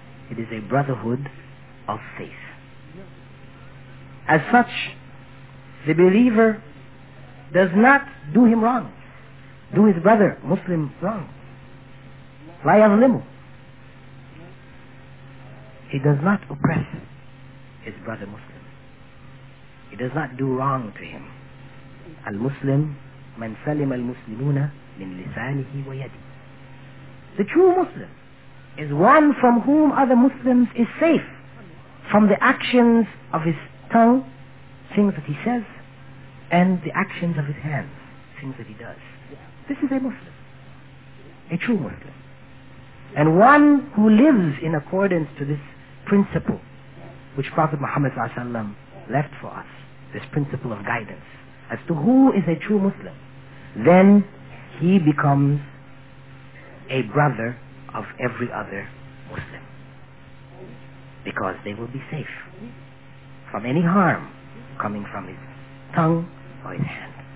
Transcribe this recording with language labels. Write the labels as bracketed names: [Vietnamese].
[English] It is a brotherhood of faith. As such, the believer does not do him wrong, do his brother, Muslim, wrong. [Arabic] لا يظلمه. [English] He does not oppress his brother, Muslim. He does not do wrong to him. [Arabic] المسلم من سلم المسلمون من لسانه ويده. [English] The true Muslim is one from whom other Muslims is safe from the actions of his tongue, things that he says, and the actions of his hands, things that he does. This is a Muslim, a true Muslim. And one who lives in accordance to this principle which Prophet Muhammad sallallahu alaihi wasallam left for us, this principle of guidance as to who is a true Muslim, then he becomes a brother of every other Muslim, because they will be safe from any harm coming from his tongue or his hand.